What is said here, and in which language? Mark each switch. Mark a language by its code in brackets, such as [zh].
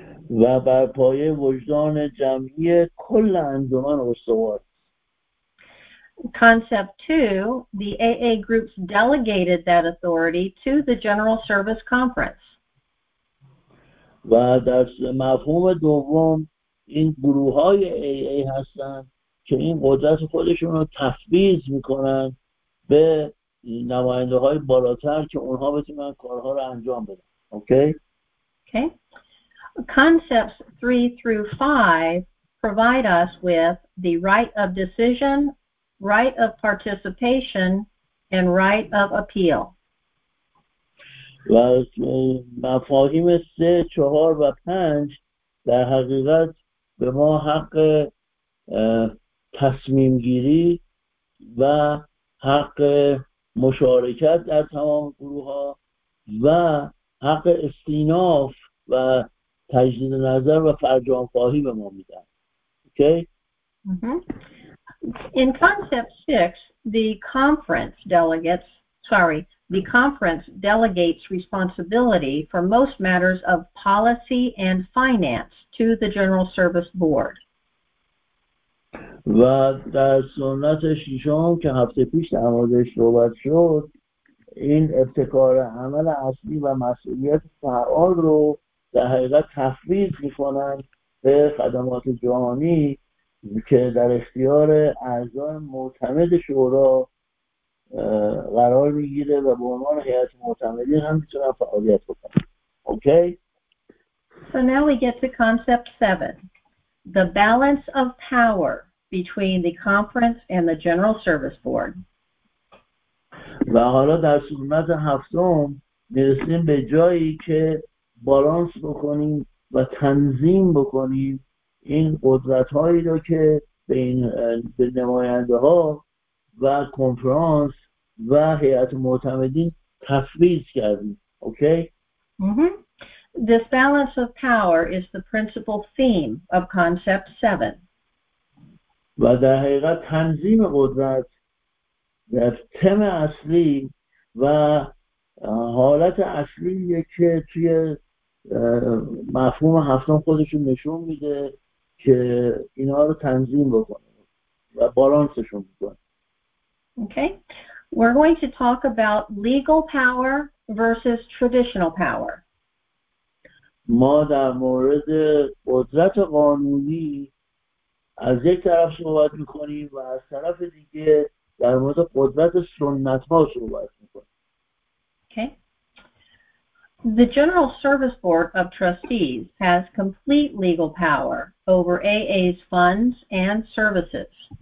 [fa] و بر پایه وجدان جمعی کل انجمن استوار. [en] Concept 2, the AA groups delegated that authority to the General Service Conference. [fa] و در مفهوم دوم این گروه های AA هستند که این قدرت خودشون رو تفویض میکنن به نماینده های بالاتر که اونها بتونن کارها رو انجام بدن. [en] Okay? Okay. Concepts 3 through 5 provide us with the right of decision, right of participation, and right of appeal. [fa] و مفاهیم 3, 4, and 5 در حقیقت به ما حق تصمیم گیری و حق مشارکت در تمام گروه ها و حق استیناف و تجدید نظر و فرجام خواهی به ما میدن. [en] Okay? In concept six, the conference delegates, the conference delegates responsibility for most matters of policy and finance to the General Service Board. [fa] و در سنت ششم که هفته پیش در موردش صحبت شد، این ابتکار عمل اصلی و مسئولیت فعال رو در حقیقت تفویض می‌کنن به خدمات جهانی که در اختیار اعضای معتمد شورا قرار می‌گیره و به عنوان هیئت معتمدی هم می‌تونن فعالیت بکنن. [en] Okay? So now we get to concept 7. The balance of power between the conference and the General Service Board. [fa] و حالا در سنت هفتم می‌رسیم به جایی که بالانس بکنیم و تنظیم بکنیم این قدرت‌هایی رو که بین به نماینده‌ها و کنفرانس و هیئت معتمدین تفویض کردیم. [en] Okay? This balance of power is the principal theme of concept 7. [fa] و در حقیقت تنظیم قدرت در تم اصلی و حالت اصلی که توی مفهوم هفتم خودشون نشون میده که اینا رو تنظیم بکنه و بالانسشون بکنه. [en] Okay. We're going to talk about legal power versus traditional power. [fa] ما در مورد قدرت قانونی از یک طرف صحبت میکنیم و از طرف دیگه در مورد قدرت سنت ها صحبت میکنیم. [en] Okay. The General Service Board of Trustees has complete legal power over AA's funds and services.